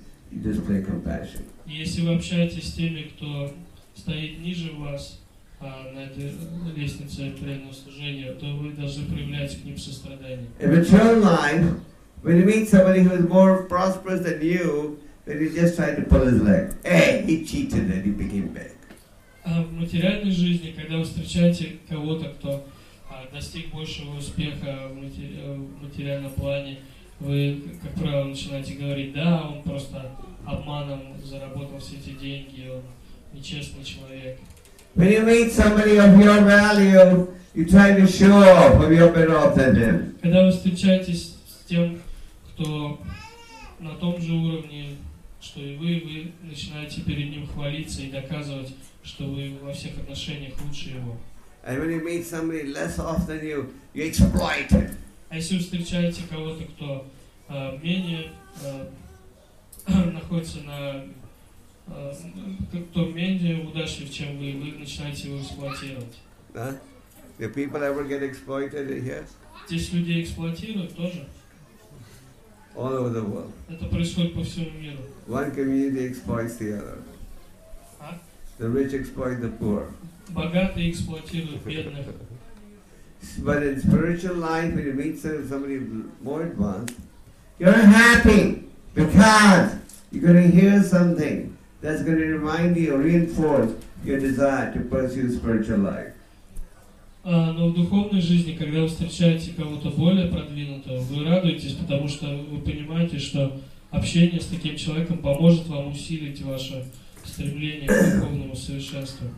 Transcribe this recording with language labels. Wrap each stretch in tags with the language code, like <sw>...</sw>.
<ru>И если вы общаетесь с теми, кто стоит ниже вас на этой лестнице преданного служения, то вы должны проявлять к ним сострадание.</ru> <en>In mature life, when you meet somebody who is more prosperous than you, then you just try to pull his leg. Hey, he cheated and he became bad.</en> <ru>В материальной жизни, когда вы встречаете кого-то, кто достиг большего успеха в материальном плане, вы, как правило, начинаете говорить, да, он просто обманом заработал все эти деньги, он нечестный человек.</ru> <en>When you meet somebody of your value, you try to show off of your better off than him.</en> <ru>Когда вы встречаетесь с тем, кто на том же уровне, что и вы начинаете перед ним хвалиться и доказывать, что вы во всех отношениях лучше его.</ru> <en>And when you meet somebody less off than you, you exploit him.</en> <ru>А если вы встречаете кого-то, кто менее удачлив, чем вы начинаете его эксплуатировать.</ru> <en>Да? Do people ever get exploited here?</en> <ru>Здесь люди эксплуатируют тоже.</ru> <en>All over the world.</en> <ru>Это происходит по всему миру.</ru> <en>One community exploits the other. The rich exploit the poor.</en> <ru>Богатые эксплуатируют бедных.</ru> <en>But in spiritual life, when you meet somebody more advanced, you're happy because you're going to hear something that's going to remind you, reinforce your desire to pursue spiritual life.</en> <ru>Но в духовной жизни, когда вы встречаете кого-то более продвинутого, вы радуетесь, потому что вы понимаете, что общение с таким человеком поможет вам усилить ваше стремление к духовному совершенству.</ru>